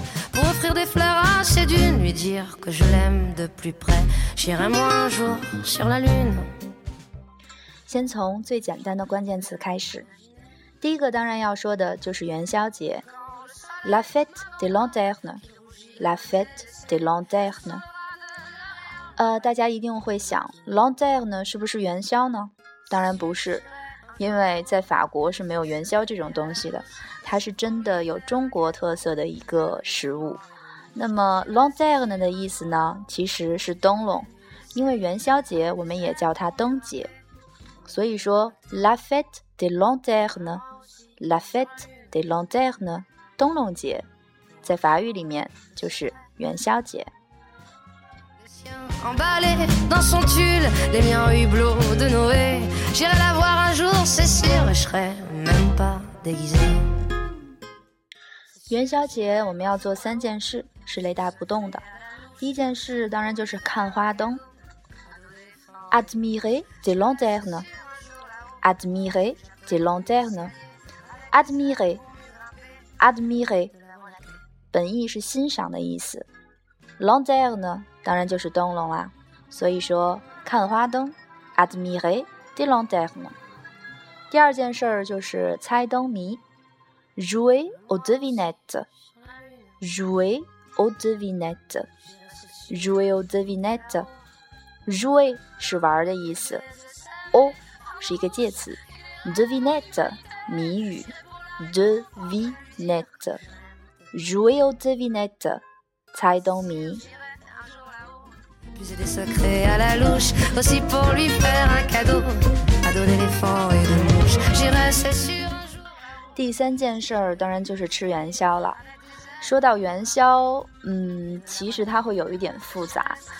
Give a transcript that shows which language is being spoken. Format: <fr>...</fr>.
<fr>Pour offrir des fleurs à ses dunes, lui dire que je l'aime de plus près. J'irai moi un jour sur la lune.</fr> <zh>先从最简单的关键词开始。第一个当然要说的就是元宵节。</zh> <fr>La fête des lanternes. La fête des lanternes.</fr> <zh>大家一定会想 ,lanterne 是不是元宵呢？当然不是。因为在法国是没有元宵这种东西的，它是真的有中国特色的一个食物。那么 lanterne 的意思呢，其实是灯笼，因为元宵节我们也叫它灯节，所以说 la fête des lanternes， la fête des lanternes， 灯笼节，在法语里面就是元宵节。</zh> <fr>Emballé dans son tulle, les miens hublots de Noé. J'irai la voir un jour, c'est sûr, je serai même pas déguisé.</fr> <zh>元宵节我们要做三件事是雷打不动的。第一件事当然就是看花灯。</zh> <fr>Admirer des lanternes. Admirer des lanternes. Admirer. Admirer.</fr> <zh>本意是欣赏的意思。Lanterne. 当然就是灯笼啦，所以说看花灯 admirer des lanternes。</zh> <fr>第二件事就是猜灯谜 jouer aux devinettes， jouer aux devinettes， jouer aux devinettes。</fr> <zh>jouer 是玩的意思， au 是一个介词， devinette 谜语， devinette， jouer aux devinettes 猜灯谜。第三件事儿当然就是吃元宵了。说到元宵，其实它会有一点复杂。</zh>